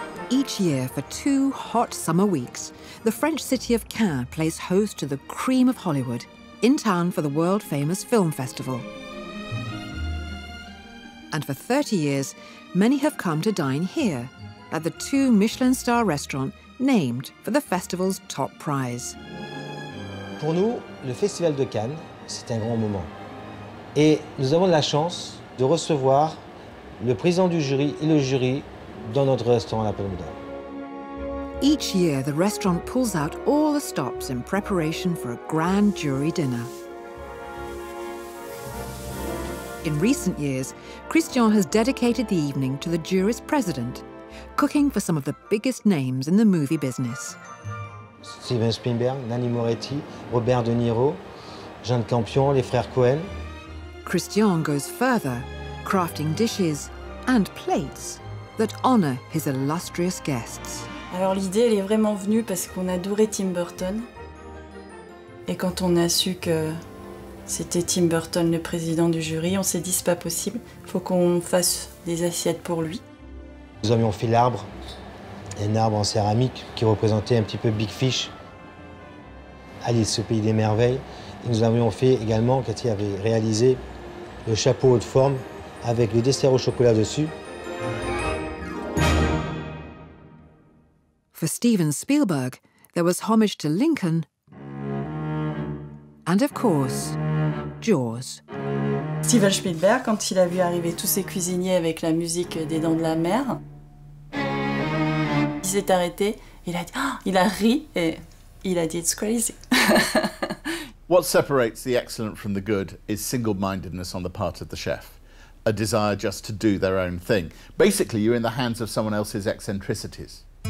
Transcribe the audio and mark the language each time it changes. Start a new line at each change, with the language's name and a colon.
English: Each year, for two hot summer weeks, the French city of Cannes plays host to the cream of Hollywood, in town for the world-famous film festival. And for 30 years, many have come to dine here, at the two Michelin star restaurant named for the festival's top prize.
French: Pour nous, le Festival de Cannes, c'est un grand moment. Et nous avons la chance de recevoir le président du jury et le jury dans notre restaurant La Palme.
English: Each year, the restaurant pulls out all the stops in preparation for a grand jury dinner. In recent years, Christian has dedicated the evening to the jury's president, cooking for some of the biggest names in the movie business.
French: Steven Spielberg, Nanni Moretti, Robert De Niro, Jean Campion, les frères Coen.
English: Christian goes further, crafting dishes and plates that honor his illustrious guests.
French: Alors l'idée, elle est vraiment venue parce qu'on adorait Tim Burton. Et quand on a su que c'était Tim Burton, le président du jury, on s'est dit, c'est pas possible, faut qu'on fasse des assiettes pour lui. Nous avions fait l'arbre, un arbre en céramique qui représentait un petit peu Big Fish, Alice au pays des merveilles. Et nous avions fait également, Cathy avait réalisé, le chapeau haute forme avec le dessert au chocolat dessus.
English: For Steven Spielberg, there was homage to Lincoln and, of course, Jaws.
French: Steven Spielberg, quand il a vu arriver tous ses cuisiniers avec la musique des Dents de la Mer, il s'est arrêté, il a dit, oh, il a ri et il a dit,
English: it's crazy. What separates the excellent from the good is single-mindedness on the part of the chef, a desire just to do their own thing. Basically, you're in the hands of someone else's eccentricities.